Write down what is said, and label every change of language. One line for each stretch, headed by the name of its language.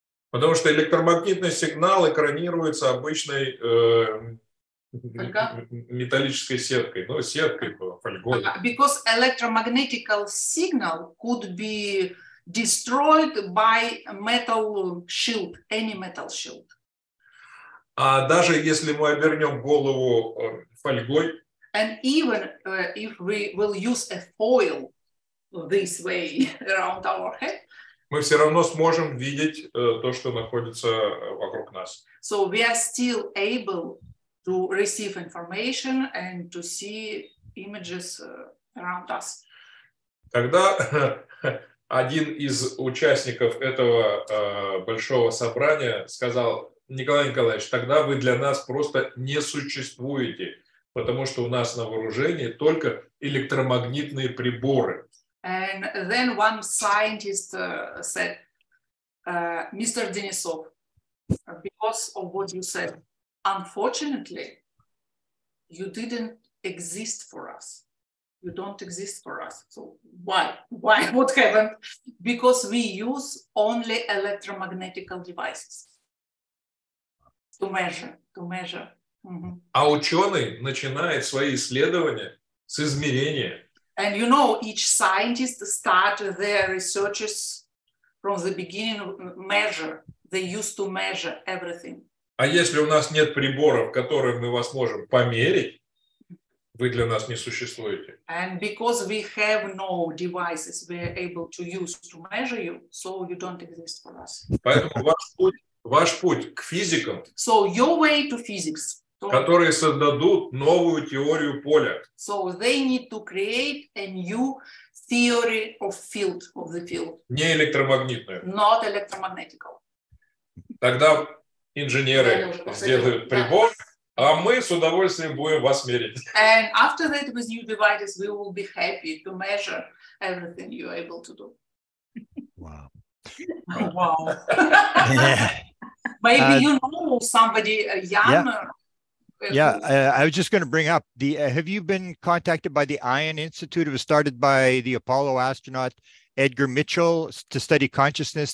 Russian: Потому что электромагнитный сигнал экранируется обычной металлической сеткой, ну, сеткой, фольгой.
English: Because electromagnetical signal could be destroyed by metal shield, any metal shield.
Russian: А даже если мы обернем голову фольгой,
English: and even if we will use a foil this way around our head,
Russian: мы все равно сможем видеть то, что находится вокруг нас.
English: So we are still able to receive information and to see images around us.
Russian: Когда один из участников этого большого собрания сказал, Николай Николаевич, тогда вы для нас просто не существуете, потому что у нас на вооружении только электромагнитные приборы.
English: And then one scientist said, Mr. Denisov, because of what you said, unfortunately, you didn't exist for us. You don't exist for us. So why? Why? What happened? Because we use only electromagnetical devices to measure.
Russian: А ученый начинает свои исследования с измерения.
English: And you know, each scientist start their researches from the beginning, measure. They used to measure everything.
Russian: А если у нас нет приборов, которые мы вас можем померить, вы для нас не существуете.
English: And because we have no devices we are able to use to measure you, so you don't exist for us.
Russian: Поэтому ваш путь к физикам.
English: So your way to physics.
Russian: Которые создадут новую теорию поля.
English: So they need to create a new theory of field, of the field.
Russian: Не электромагнитную.
English: Not electromagnetical.
Russian: Тогда инженеры сделают прибор, а мы с удовольствием будем вас мерить.
English: And after that, with new devices, we will be happy to measure everything you're able to do. Wow. Maybe you know somebody younger. Yeah. Yeah, I was just going to bring up the. Have you been contacted by the Ion Institute? It was started by the Apollo astronaut Edgar Mitchell to study consciousness.